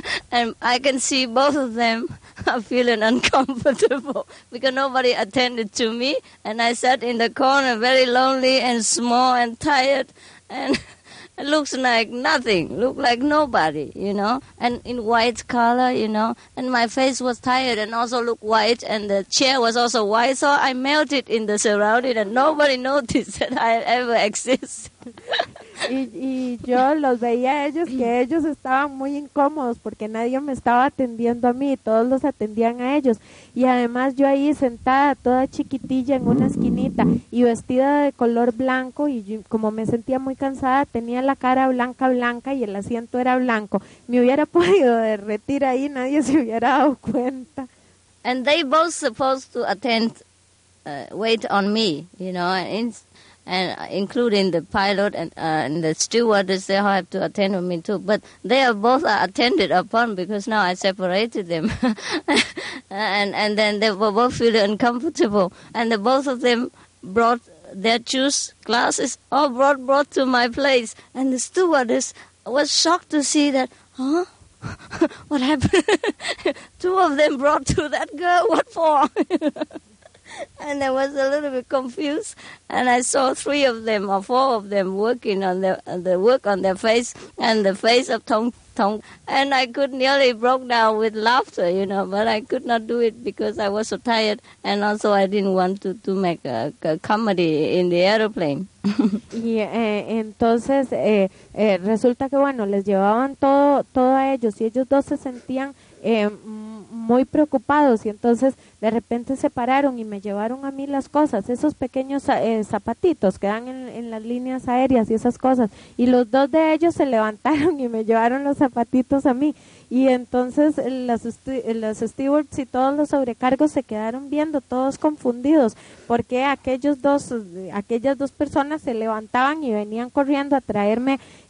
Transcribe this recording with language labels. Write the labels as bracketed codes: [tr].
[en] And I can see both of them are feeling uncomfortable because nobody attended to me, and I sat in the corner very lonely and small and tired, and it looks like nothing, look like nobody, you know, and in white color, you know, and my face was tired and also looked white, and the chair was also white, so I melted in the surrounding and nobody noticed that I ever exist. [es] Y yo los veía a ellos, que ellos estaban muy incómodos porque nadie me estaba atendiendo a mí, todos los atendían a ellos. Y además yo ahí sentada toda chiquitilla en una esquinita y vestida de color blanco, y yo, como me sentía muy cansada, tenía la cara blanca blanca y el asiento era blanco. Me hubiera podido derretir ahí, nadie se hubiera dado cuenta. [en] And they both supposed to attend, wait on me, you know, and including the pilot and the stewardess, they all have to attend on me too. But they are both attended upon because now I separated them. and then they were both feeling uncomfortable. And the both of them brought their juice glasses, all brought to my place. And the stewardess was shocked to see that, huh? What happened? Two of them brought to that girl, what for? And I was a little bit confused, and I saw three of them or four of them working on the work on their face and the face of Tong, and I could nearly broke down with laughter, you know, but I could not do it because I was so tired, and also I didn't want to make a comedy in the aeroplane. [es] Y entonces resulta que bueno, les llevaban todo a ellos, y ellos dos se sentían muy preocupados, y entonces de repente se pararon y me llevaron a mí las cosas, esos pequeños zapatitos que dan en las líneas aéreas y esas cosas, y los dos de ellos se levantaron y me llevaron los zapatitos a mí, y entonces los stewards y todos los sobrecargos se quedaron viendo todos confundidos, porque aquellas dos personas se levantaban y venían corriendo a traerme